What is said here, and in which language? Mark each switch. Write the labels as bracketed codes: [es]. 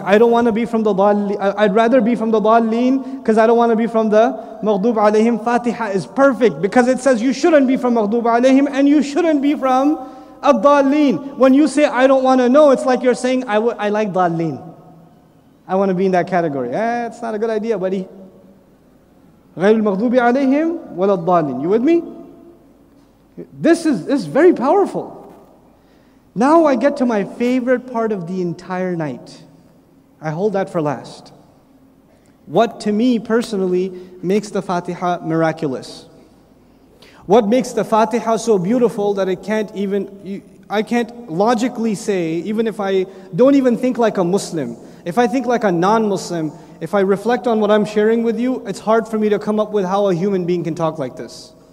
[en] I don't want to be from the dalleen. I'd rather be from the dalleen because I don't want to be from the maghdub alayhim. Fatiha is perfect because it says you shouldn't be from maghdub alayhim and you shouldn't be from ad-dalleen. When you say I don't want to know, it's like you're saying I like dalleen. I want to be in that category. It's not a good idea, buddy. [ar] غير المغضوب عليهم ولا الضالين. [en] You with me? This is very powerful. Now I get to my favorite part of the entire night. I hold that for last. What to me personally makes the Fatiha miraculous? What makes the Fatiha so beautiful that it can't even, I can't logically say, even if I don't even think like a Muslim, if I think like a non-Muslim, if I reflect on what I'm sharing with you, it's hard for me to come up with how a human being can talk like this.